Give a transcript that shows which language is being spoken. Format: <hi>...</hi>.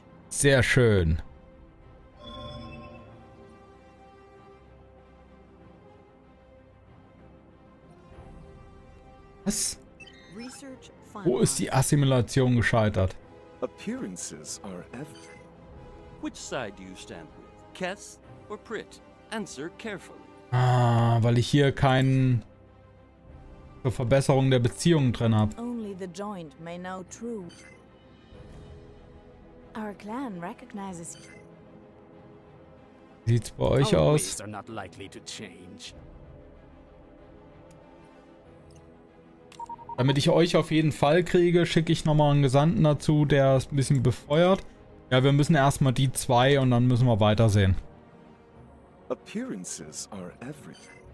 <de>Sehr schön. Was? Wo ist die Assimilation gescheitert?</de> <en>Appearances are everything. Which side do you stand with? Kess or Prit? Answer carefully.</en> <de>Ah, weil ich hier keinen zur Verbesserung der Beziehungen drin habe.</de> <en>Only the joint may know true. Our clan recognizes.</en> <de>Sieht's bei euch aus?</de> <en>Our ways are not likely to change.</en> <de>Damit ich euch auf jeden Fall kriege, schicke ich nochmal einen Gesandten dazu, der es ein bisschen befeuert. Ja, wir müssen erstmal die zwei und dann müssen wir weitersehen.</de> <en>Appearances are everything.</en>